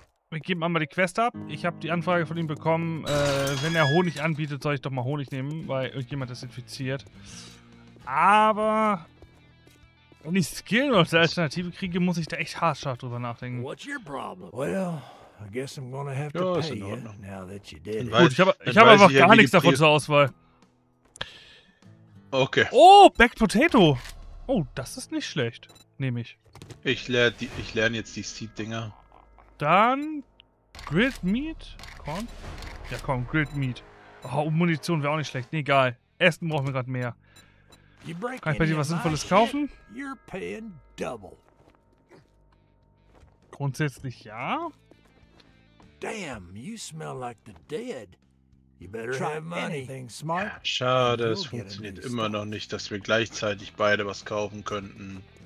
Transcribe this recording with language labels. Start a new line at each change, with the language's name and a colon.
German: Ich gebe mal die Quest ab. Ich habe die Anfrage von ihm bekommen, wenn er Honig anbietet, soll ich doch mal Honig nehmen, weil irgendjemand das infiziert. Aber wenn ich Skill noch zur Alternative kriege, muss ich da echt haarscharf drüber nachdenken.
English: What's your problem? Well, I guess I'm gonna have to pay you now that you did.
German: Gut, ich hab einfach gar nichts davon zur Auswahl. Okay. Oh, Baked Potato. Oh, das ist nicht schlecht. Nehme ich. Ich lerne jetzt die Seed-Dinger. Dann Grilled Meat. Korn? Ja, komm, Grilled Meat. Oh, Munition wäre auch nicht schlecht. Nee, egal. Essen brauchen wir gerade mehr. Kann ich bei dir was Sinnvolles kaufen?
English: You're paying double.
German: Grundsätzlich ja.
English: Damn, you smell like the dead. You better try money. Anything smart.
German: Ja, schade, es funktioniert immer noch nicht, dass wir gleichzeitig beide was kaufen könnten.